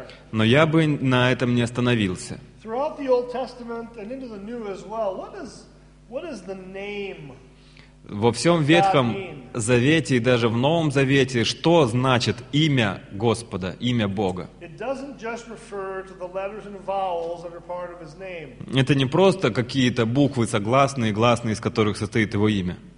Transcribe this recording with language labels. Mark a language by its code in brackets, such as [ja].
[ru] Но я бы на этом не остановился. [en] Throughout the Old Testament and into the New as well, what is the name? [ru] Во всем Ветхом Завете и даже в Новом Завете, что значит имя Господа, имя Бога? Это не просто какие-то буквы, согласные, гласные, из которых состоит его имя.